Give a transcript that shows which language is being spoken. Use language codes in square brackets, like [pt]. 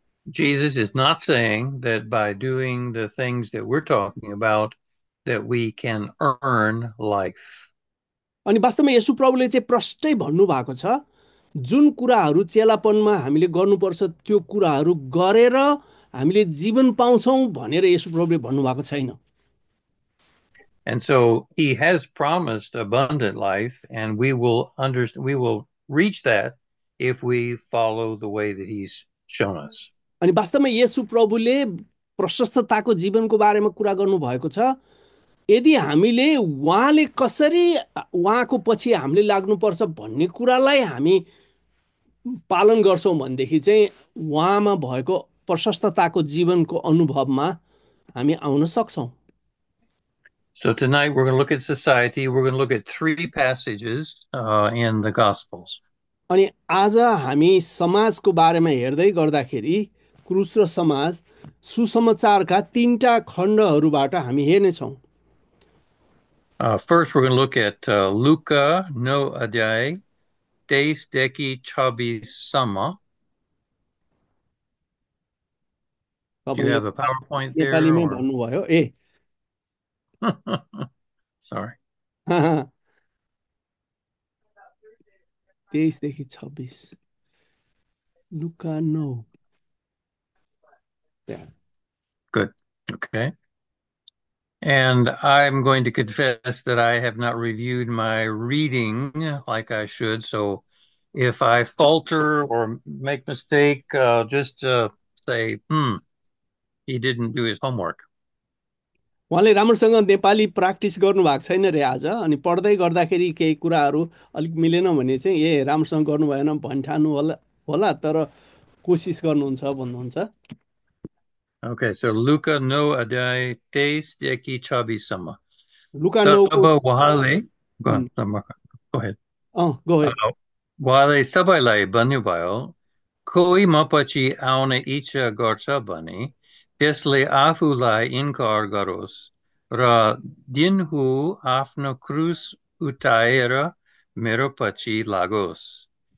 [en] Jesus is not saying that by doing the things that we're talking about that we can earn life. [ne] अनि वास्तवमा येशु प्रभुले चाहिँ प्रष्टै भन्नुभएको छ, जुन कुराहरू चेलापनमा हामीले गर्नुपर्छ त्यो कुराहरू गरेर हामीले जीवन पाउँछौँ भनेर येशु प्रभुले भन्नुभएको छैन। [en] And so he has promised abundant life, and we will understand, we will reach that if we follow the way that he's shown us. [ne] अनि वास्तवमा येशु प्रभुले प्रशस्तताको जीवनको बारेमा कुरा गर्नुभएको छ, यदि हामीले उहाँले कसरी उहाँको पछि हामीले लाग्नुपर्छ भन्ने कुरालाई हामी पालन गर्छौँ भनेदेखि चाहिँ उहाँमा भएको प्रशस्तताको जीवनको अनुभवमा हामी आउन सक्छौँ। [en] So tonight we're going to look at society. We're going to look at three passages in the Gospels. [ne] अनि आज हामी समाजको बारेमा हेर्दै गर्दाखेरि क्रुस र समाज सुसमाचारका तिनवटा खण्डहरूबाट हामी हेर्नेछौँ। [en] First, we're going to look at Luka, [ne] no adyai, tais deki chabi sama. [en] Do you [ne] तपाईँले [en] have a PowerPoint there? [ne] नेपालीमै [en] Or [ne] भन्नुभयो ए [en] Sorry. [ne] तेइसदेखि छब्बिस Luca, no. [en] Yeah. Good. Okay. And I'm going to confess that I have not reviewed my reading like I should. So if I falter or make mistake, just say, he didn't do his homework. [ne] उहाँले राम्रोसँग Nepali practice गर्नुभएको छैन रे आज, अनि पढ्दै गर्दाखेरि केही कुराहरू अलिक मिलेन भने चाहिँ ए राम्रोसँग गर्नु भएन भन्ठानु होला होला, तर कोसिस गर्नुहुन्छ भन्नुहुन्छ। [en] Okay, so [ne] Luca no adai 23 देखि 26 सम्म. लुका तब नौको उहाँले [en] go ahead. [ne] गए उहाँले सबैलाई भन्नुभयो, कोही म पछि आउने इच्छा गर्छ भने त्यसले आफूलाई इन्कार गरोस् र दिनहु आफ्नो क्रुस उठाएर मेरो पछि लागोस्।